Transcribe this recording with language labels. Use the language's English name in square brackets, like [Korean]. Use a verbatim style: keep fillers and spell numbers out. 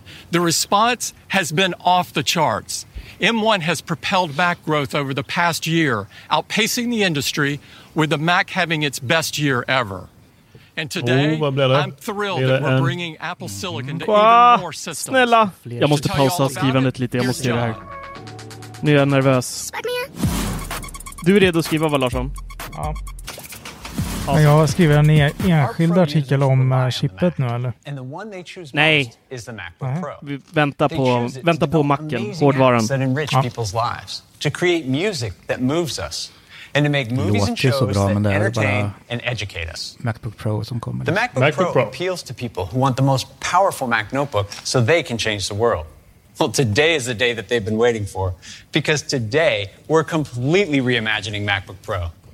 [English] The response has been off the charts. M one has propelled Mac growth over the past year, outpacing the industry, with the Mac having its best year ever. And today, oh, I'm thrilled that we're bringing Apple Silicon to even more systems. [Swedish] Snälla! Jag måste pausa skrivandet lite, jag måste göra det här. Nu är jag nervös. Du är redo att skriva, va Larsson? Ja. Men jag skriver en e- enskild artikel om uh, chippet nu, eller? Nej. Vi väntar på, väntar på Macen, hårdvaran. Ja. [English] To create music that moves us and to make movies and shows that entertain and educate us. [Swedish] MacBook Pro som kommer. [English] The MacBook, MacBook Pro, Pro appeals to people who want the most powerful Mac notebook so they can change the world. Well, today is the day that they've been waiting for, because today we're completely reimagining MacBook Pro.